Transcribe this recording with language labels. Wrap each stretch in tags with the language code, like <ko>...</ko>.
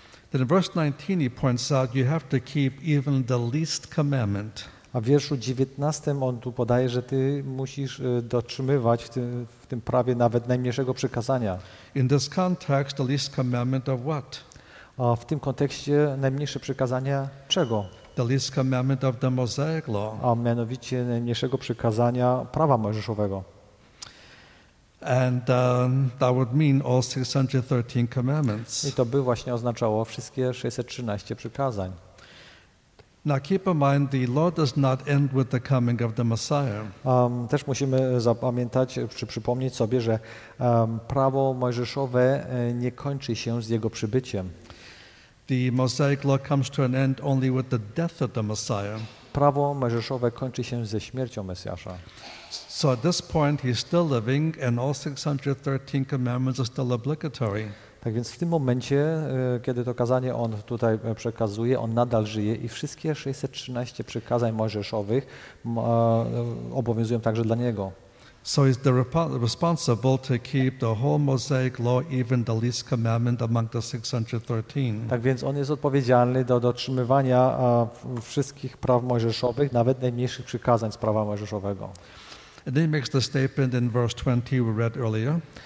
<en>Then in verse 19 he points out you have to keep even the least commandment.</en> <pl>A w wierszu 19 on tu podaje, że ty musisz dotrzymywać w tym prawie nawet najmniejszego przykazania.</pl> <en>In this context, the least commandment of what?</en> <pl>A w tym kontekście najmniejsze przykazania czego?</pl> <en>The least commandment of the Mosaic law.</en> <pl>A mianowicie najmniejszego przykazania prawa mojżeszowego.</pl> <en>And that would mean all 613 commandments.</en> <pl>I to by właśnie oznaczało wszystkie 613 przykazań.</pl> <en>Now keep in mind the law does not end with the coming of the Messiah.</en> <pl>Też musimy zapamiętać czy przypomnieć sobie, że prawo mojżeszowe nie kończy się z jego przybyciem.</pl> <en>The Mosaic law comes to an end only with the death of the Messiah.</en> <pl>prawo mojżeszowe kończy się ze śmiercią Mesjasza.</pl> <en>So at this point he's still living and all 613 commandments are still obligatory.</en> <pl>Tak więc w tym momencie, kiedy to kazanie on tutaj przekazuje, on nadal żyje i wszystkie 613 przykazań mojżeszowych obowiązują także dla niego.</pl> <en>So he's the responsible to keep the whole Mosaic law, even the least commandment among the 613.</en> <pl>Tak więc on jest odpowiedzialny do dotrzymywania wszystkich praw mojżeszowych, nawet najmniejszych przykazań z prawa mojżeszowego.</pl> <en>And then he makes the statement in verse 20 we read earlier.</en>